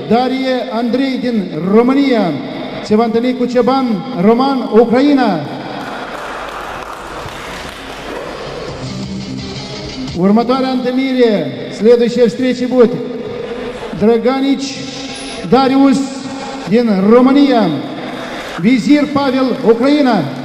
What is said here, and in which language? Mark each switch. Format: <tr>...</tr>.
<ro>Дарья Андрей din România. Se va întâlni cu Ceban Roman, Ucraina. Următoarea întâlnire,</ro> <ru>следующая встреча будет.</ru> <ro>Драганич Дариус din România.</ro> <ru>Визир Павел, Украина.</ru>